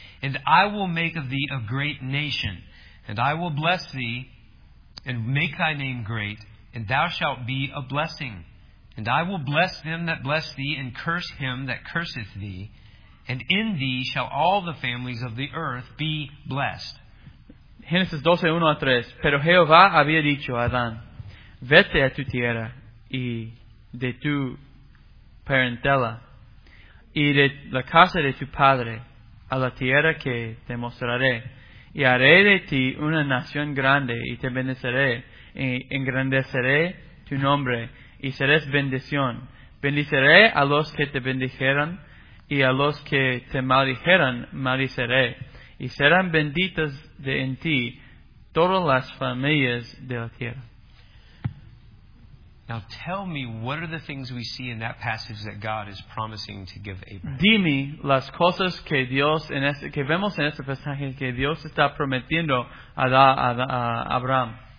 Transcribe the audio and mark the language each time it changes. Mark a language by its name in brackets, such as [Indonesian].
[English] And I will make of thee a great nation. And I will bless thee and make thy name great. And thou shalt be a blessing. And I will bless them that bless thee and curse him that curseth thee. And in thee shall all the families of the earth be blessed. [Spanish] Génesis 12, 1 a 3. Pero Jehová había dicho a Adán, vete a tu tierra y de tu parentela y de la casa de tu padre a la tierra que te mostraré. Y haré de ti una nación grande y te bendeceré y engrandeceré tu nombre y serás bendición. Bendiceré a los que te bendijeran y a los que te maldijeran, maldiceré. Y serán benditas de en ti todas las familias de la tierra. [English] Now tell me, what are the things we see in that passage that God is promising to give Abraham? [Spanish] Dime las cosas que Dios en este, que vemos en este pasaje que Dios está prometiendo a Abraham.